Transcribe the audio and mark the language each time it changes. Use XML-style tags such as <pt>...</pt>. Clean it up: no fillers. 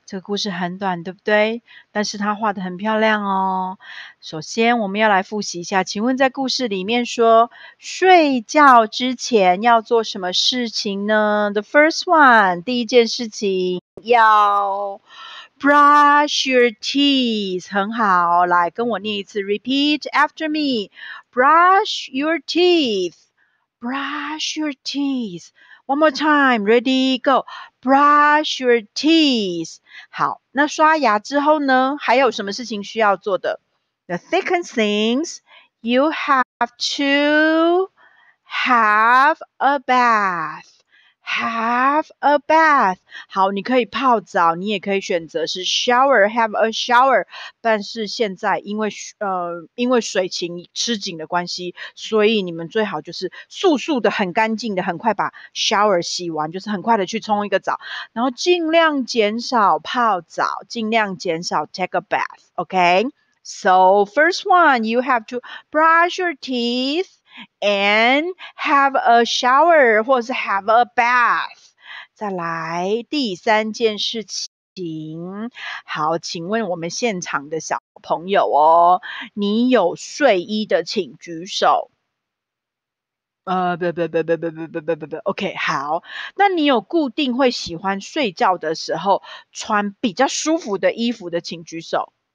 <zh>这个故事很短，对不对？但是它画得很漂亮哦。首先，我们要来复习一下。请问在故事里面说，睡觉之前要做什么事情呢 ？</zh> <en>The first one，</en> <zh>第一件事情要</zh> <en>brush your teeth。</en> <zh>很好，来跟我念一次 ，</zh> <en>repeat after me， brush your teeth，</en> <zh>brush your teeth。</zh> <en>One more time, ready, go. Brush your teeth.</en> <zh>好，那刷牙之后呢？还有什么事情需要做的</zh> <en>？The second things you have to have a bath. Have a bath.</en> <zh>好，你可以泡澡，你也可以选择是</zh> <en>shower, have a shower.</en> <zh>但是现在因为水情吃紧的关系，所以你们最好就是速速的、很干净的、很快把 shower 洗完，就是很快的去冲一个澡，然后尽量减少泡澡，尽量减少</zh> <en>take a bath. Okay. So first one, you have to brush your teeth. And have a shower,</en> <zh>或是</zh> <en>have a bath.</en> <zh>再来第三件事情。好，请问我们现场的小朋友哦，你有睡衣的，请举手。不 OK, 好。那你有固定会喜欢睡觉的时候穿比较舒服的衣服的，请举手。</zh>